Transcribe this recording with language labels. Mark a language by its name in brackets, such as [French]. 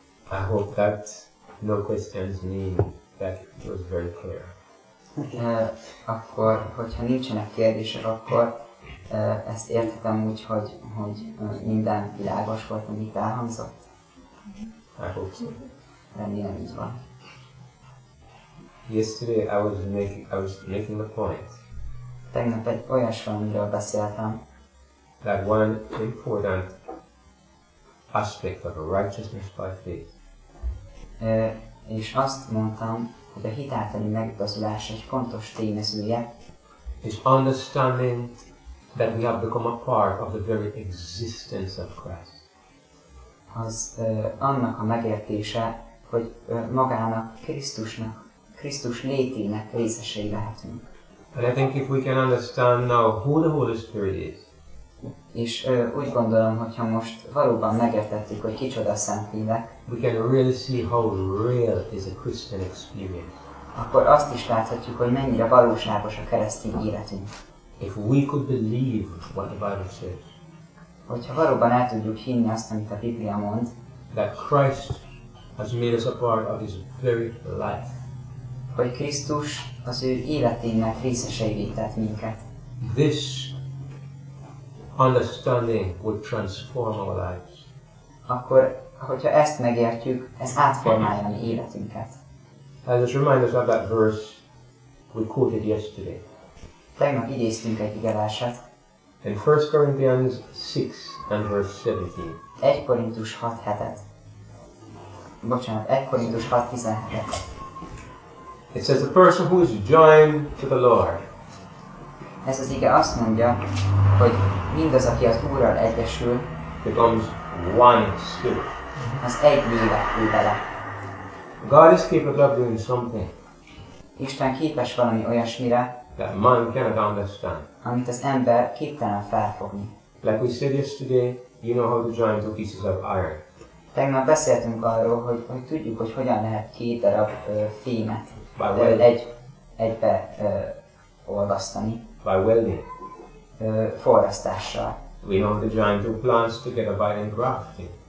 [English] I hope that no questions mean that it was very clear. [Hungarian] Akkor, hogyha nincsenek kérdések, akkor ezt értettem úgy, hogy, hogy minden világos volt, amit elhangzott. [English] I hope so. [Hungarian] Remélem, így van. [English] Yesterday I was making a point. [Hungarian] Tegnap egy olyasról, amiről beszéltem. [English] That one important aspect of a righteousness by faith. [Hungarian] És azt mondtam, hogy a hit általi megigazulás egy fontos tényezője. [English] It's understanding that we have become a part of the very existence of Christ. [Hungarian] Az annak a megértése, hogy magának Krisztusnak, Krisztus létének részesei lehetünk. [English] And I think if we can understand now who the Holy Spirit is. [Hungarian] És úgy gondolom, hogyha most valóban megértettük, hogy kicsoda a Szent Lélek, [English] we can really see how real is a Christian experience. [Hungarian] Akkor azt is láthatjuk, hogy mennyire valóságos a keresztény életünk. [English] If we could believe what the Bible says. [Hungarian] Hogyha valóban el tudjuk hinni azt, amit a Biblia mond, [English] that Christ has made us a part of his very life. [Hungarian] Hogy Krisztus az ő életének részeseivé tett minket. [English] This understanding would transform our lives. [Hungarian] Akkor, hogyha ezt megértjük, ez átformálja a mi életünket. [English] As a reminder of that verse we quoted yesterday. [Hungarian] Tegnap idéztünk egy igeverset. [English] In 1 Corinthians 6 and verse 17. [Hungarian] 1 Korintus 6:7. Bocsánat, 1 Korintus 6:17. [English] It says a person who is joined to the Lord. [Hungarian] Ez az ige azt mondja, hogy mindaz, aki az Úrral egyesül, [English] becomes one spirit. [Hungarian] Az egy lélek ül bele. [English] God is capable of doing something. [Hungarian] Isten képes valami olyasmire, [English] that man cannot understand. [Hungarian] Amit az ember képtelen felfogni. [English] Like we said yesterday, you know how to join two pieces of iron. [Hungarian] Tegnap beszéltünk arról, hogy, hogy tudjuk, hogy hogyan lehet két darab fémet egybe olvasztani. [English] By welding. [Hungarian] Forrasztással. [English] We know to join two plants together by engrafting.